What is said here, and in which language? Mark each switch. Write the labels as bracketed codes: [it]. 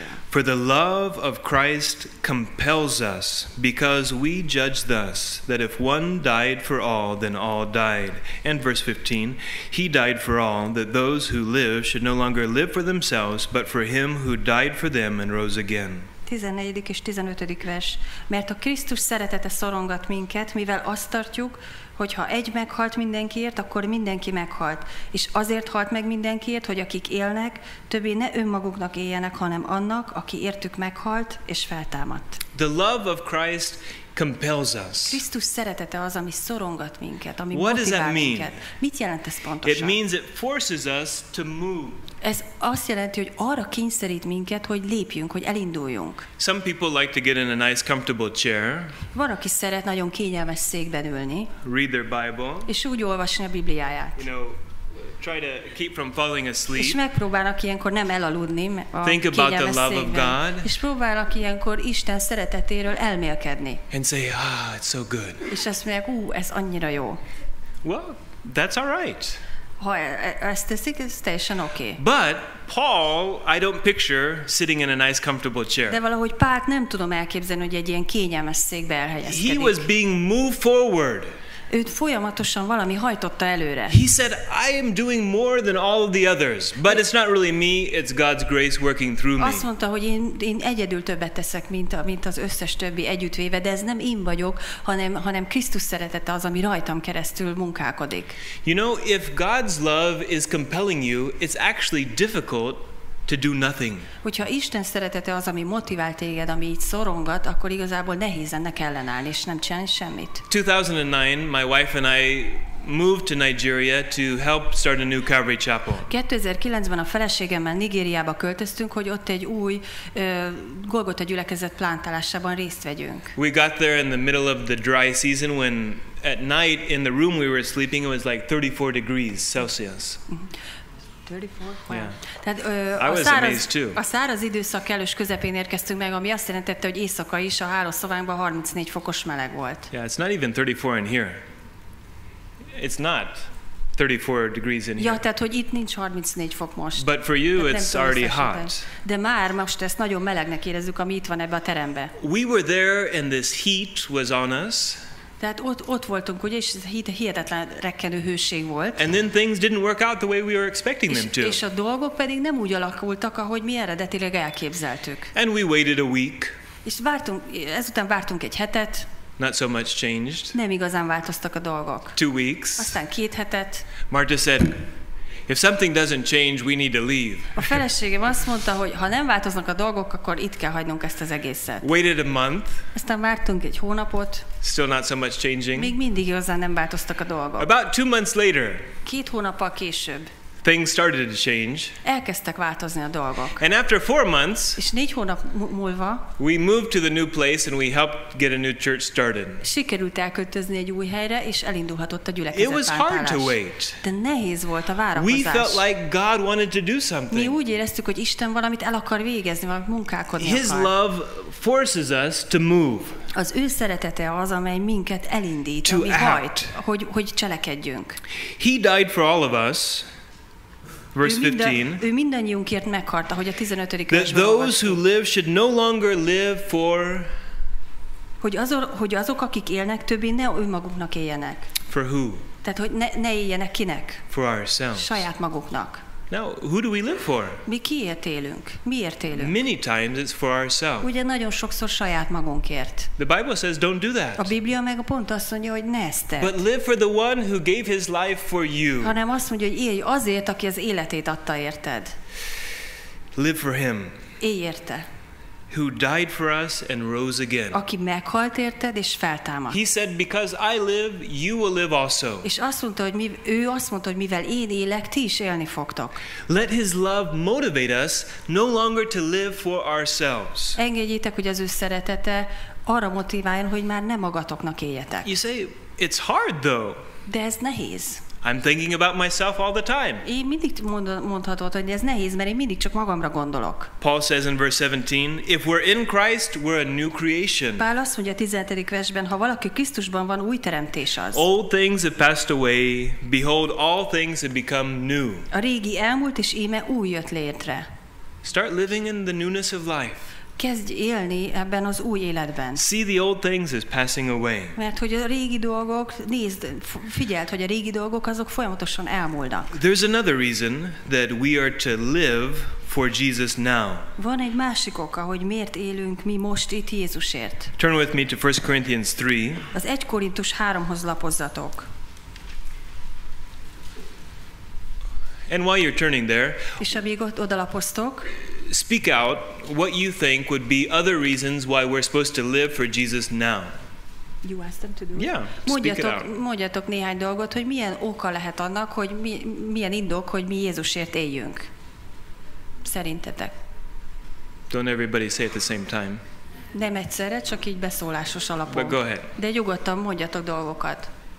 [en] For the love of Christ compels us, because we judge thus, that if one died for all, then all died. And verse 15. He died for all, that those who live should no longer live for themselves, but for him who died for them and rose again. [hu] 14. és 15. vers. Mert a Krisztus szeretete szorongat minket, mivel azt tartjuk, hogy ha egy meghalt mindenkiért, akkor mindenki meghalt. És azért halt meg mindenkiért, hogy akik élnek, többé ne önmaguknak éljenek, hanem annak, aki értük meghalt és feltámadt. [en] The love of Christ compels us. [hu] Krisztus szeretete az, ami szorongat minket, ami motivál minket. Mit jelent ez pontosan? [en] It means it forces us to move. [hu] Ez azt jelenti, hogy arra kényszerít minket, hogy lépjünk, hogy elinduljunk. [en] Some people like to get in a nice comfortable chair. [hu] Van, aki szeret nagyon kényelmes székben ülni. [en] Read their Bible. [hu] És úgy olvasni a Bibliáját. [en] You know, try to keep from falling asleep. [hu] És megpróbálnak ilyenkor nem elaludni a [en] Think about the love [hu] székben. [en] Of God. [hu] És próbálnak ilyenkor Isten szeretetéről elmélkedni. [en] And say, ah, it's so good. [hu] És azt mondják, ez annyira jó. [en] Well, that's all right. [hu] Ha ezt teszik, ez teljesen oké. [en] But Paul, I don't picture sitting in a nice comfortable chair. [hu] De valahogy Pált nem tudom elképzelni, hogy egy ilyen kényelmes székbe elhelyezkedik. [en] He was being moved forward. [hu] Őt folyamatosan valami hajtotta előre. [en] He said, I am doing more than all of the others, but it's not really me, it's God's grace working through me. [hu] Azt mondta, hogy én egyedül többet teszek, mint az összes többi együttvéve, de ez nem én vagyok, hanem Krisztus szeretete az, ami rajtam keresztül munkálkodik. [en] You know, if God's love is compelling you, it's actually difficult to do nothing. [hu] Hogyha Isten szeretete az, ami motivál téged, ami így szorongat, akkor igazából nehéz ennek ellenállni, és nem csinálni semmit. [en] 2009, my wife and I moved to Nigeria to help start a new Calvary Chapel. [hu] 2009-ben a feleségemmel Nigériába költöztünk, hogy ott egy új Golgota gyülekezet plántálásában részt vegyünk. [en] We got there in the middle of the dry season when at night in the room we were sleeping it was like 34 degrees Celsius. 34. Wow. Yeah. [hu] Tehát, [en] I was amazed too. [hu] A száraz időszak kellős közepén érkeztünk meg, ami azt jelentette, hogy éjszaka is a hálószobánkban 34 fokos meleg volt. [en] Yeah, it's not even 34 in here. It's not 34 degrees in here. [hu] Ja, tehát hogy itt nincs 34 fok most. [en] But for you it's already hot. [hu] De már most ezt nagyon melegnek érezzük, ami itt van ebbe a terembe. [en] We were there and this heat was on us. [hu] Tehát ott voltunk, ugye, és hihetetlen rekkenő hőség volt. [en] And then things didn't work out the way we were expecting them to. [hu] És a dolgok pedig nem úgy alakultak, ahogy mi eredetileg elképzeltük. [en] And we waited a week. [hu] És vártunk, ezután vártunk egy hetet. [en] Not so much changed. [hu] Nem igazán változtak a dolgok. [en] 2 weeks. [hu] Aztán két hetet. [en] Marta said, if something doesn't change, we need to leave. [hu] A feleségem azt mondta, hogy ha nem változnak a dolgok, akkor itt kell hagynunk ezt az egészet. [en] Waited a month. [hu] Aztán vártunk egy hónapot. [en] Still not so much changing. [hu] Még mindig igazán nem változtak a dolgok. [en] About 2 months later. [hu] Két hónappal később. [en] Things started to change. [hu] Elkezdtek változni a dolgok. [en] And after 4 months, [hu] és 4 hónap múlva, [en] we moved to the new place and we helped get a new church started. [hu] Sikerült elköltözni egy új helyre, és elindulhatott a gyülekezet. [en] It was hard to wait. [hu] De nehéz volt a várakozás. [en] We felt like God wanted to do something. [hu] Mi úgy éreztük, hogy Isten valamit el akar végezni, valamit munkálkodni akar. [en] His love forces us to move. [hu] Az ő szeretete az, amely minket elindít, [en] to [hu] ami [en] act. [hu] Hajt, hogy cselekedjünk. [en] He died for all of us. Verse 15. [hu] Ő mindannyiunkért meghalt, ahogy a 15. [en] That those who live should no longer live for. [hu] Hogy azok, akik élnek, többé ne önmaguknak éljenek. [en] For who? [hu] Tehát hogy ne éljenek kinek? [en] For ourselves. [hu] Saját maguknak. [en] Now, who do we live for? [hu] Mi kiért élünk? Miért élünk? [en] Many times it's for ourselves. [hu] Ugye nagyon sokszor saját magunkért. [en] The Bible says, don't do that. [hu] A Biblia meg a pont azt mondja, hogy ne ezt tedd. [en] But live for the one who gave his life for you. [hu] Hanem azt mondja, hogy élj azért, aki az életét adta érted. [en] Live for him. [hu] Élj érte. [en] Who died for us and rose again. [hu] Aki meghalt érted és feltámadt. [en] He said, because I live, you will live also. [hu] És azt mondta, hogy ő azt mondta, hogy mivel én élek, ti is élni fogtok. [en] Let his love motivate us no longer to live for ourselves. [hu] Engedjétek, hogy az ő szeretete arra motiváljon, hogy már nem magatoknak éljetek. [en] You say, it's hard though. [hu] De ez nehéz. [en] I'm thinking about myself all the time. [hu] Én mindig mondhatod, hogy ez nehéz, mert én mindig csak magamra gondolok. [en] Paul says in verse 17, if we're in Christ, we're a new creation. [hu] Pál azt mondja a 17. versben, ha valaki Krisztusban van, új teremtés az. [en] Old things have passed away, behold, all things have become new. [hu] A régi elmúlt, és íme új jött létre. [en] Start living in the newness of life. [hu] Kezdj élni ebben az új életben. [en] See the old things is passing away. [hu] Mert hogy a régi dolgok, nézd, figyeld, hogy a régi dolgok azok folyamatosan elmúlnak. [en] There's another reason that we are to live for Jesus now. [hu] Van egy másik oka, hogy miért élünk mi most itt Jézusért. [en] Turn with me to 1 Corinthians 3. [hu] Az 1 Korintus 3-hoz lapozzatok. [en] And while you're turning there, [hu] és amíg ott odalapoztok, [en] speak out what you think would be other reasons why we're supposed to live for Jesus now. You asked them to do. Yeah, [hu] mondjatok néhány dolgot, hogy milyen oka lehet annak, hogy milyen indok, hogy mi Jézusért éljünk. Szerintetek? [en] Don't everybody say at the same time. [hu] Nem egyszerre, csak így beszólásos alapon. [en] But go ahead. [hu] De nyugodtan mondjatok dolgokat.